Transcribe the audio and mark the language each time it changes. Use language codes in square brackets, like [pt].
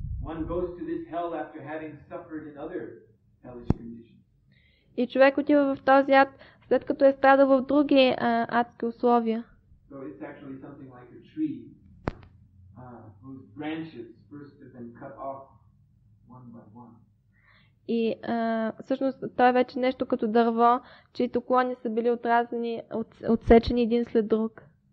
[en] One goes to this hell after having suffered in other hellish conditions. [bg] И човек отива в този ад, след като е страдал в други адски условия. [en] So it's actually something like a tree, whose branches first have been cut off one by one. [bg] И всъщност той е вече нещо като дърво, чието клони са били отразени, отсечени един след друг.